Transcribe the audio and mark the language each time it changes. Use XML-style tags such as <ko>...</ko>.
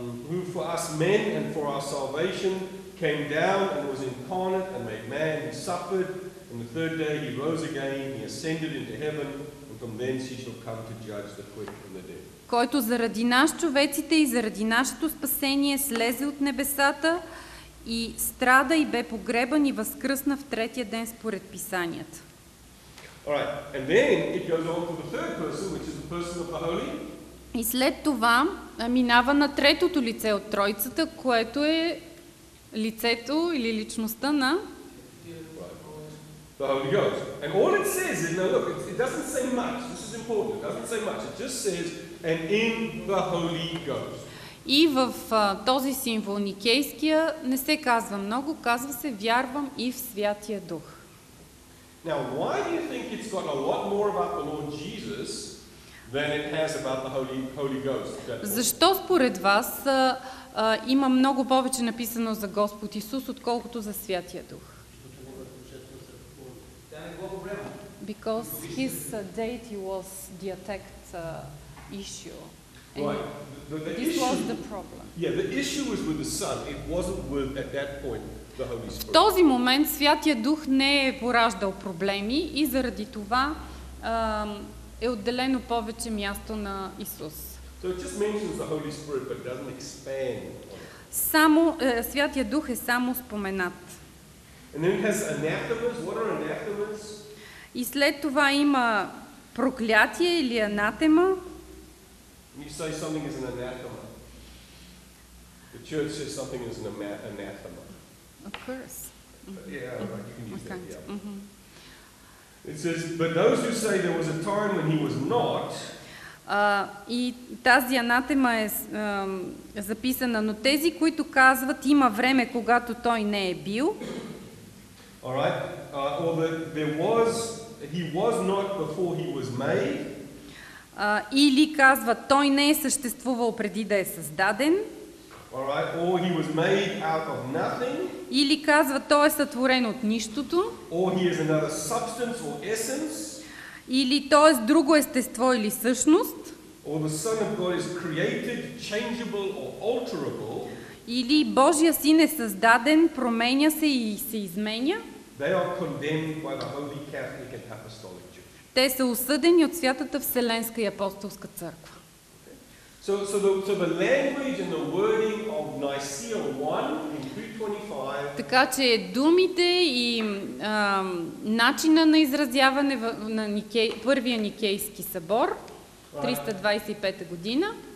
<en>Who for us men and for our salvation came down and was incarnate and made man and suffered. On the third day he rose again, he ascended into heaven, and from thence he shall come to judge the quick and the dead.</en> <bg>Който заради нас човеците и заради нашето спасение слезе от небесата и страда и бе погребан и възкръсна в третия ден според писанията.</bg> <en>All right. And then it goes on to the third person, which is the person of the Holy.</en> <bg>И след това минава на третото лице от Троицата, което е лицето или личността на</bg> <en>the Holy Ghost. And all it says is, now look, it doesn't say much. This is important. It doesn't say much. It just says, and in the Holy Ghost.</en> <bg>И в този символ никейския не се казва много, казва се вярвам и в Святия Дух.</bg> <en>Now, why do you think it's got a lot more about the Lord Jesus than it has about the Holy Ghost?</en> <bg>Защо според вас има много повече написано за Господ Исус, отколкото за Святия Дух?</bg> <en>Because his deity was the attacked issue. Right. This was the problem. Yeah, the issue was with the Son. It wasn't with, at that point, the Holy Spirit.</en> <bg>В този момент Святия Дух не е пораждал проблеми и заради това е отделено повече място на Исус.</bg> <en>So it just mentions the Holy Spirit, but doesn't expand.</en> <bg>Само Святия Дух е само споменат.</bg> <en>And then it has anathemas. What are anathemas?</en> <bg>И след това има проклятие или анатема.</bg> <en>It says, but those who say there was a time when he was not.</en> <bg>И тази анатема е записана, но тези, които казват, има време, когато той не е бил.</bg> <en>All right. He was not before he was made.</en> <bg>Или казва, той не е съществувал преди да е създаден.</bg> <en>All right. Or he was made out of nothing.</en> <bg>Или казва, той е сътворен от нищото.</bg> <en>Or he is another substance or essence.</en> <bg>Или той е друго естество или същност.</bg> <en>Or the Son of God is created, changeable or alterable.</en> <bg>Или Божия син е създаден, променя се и се изменя.</bg> <en>They are condemned by the Holy Catholic and Apostolic Church.</en> <bg>Те са осъдени от Святата Вселенска и Апостолска църква.</bg> <en>So the language and the wording of Nicaea 1 in 325.</en> <bg>Така че думите и начина на изразяване на първия Никейски събор 325-та година.</bg>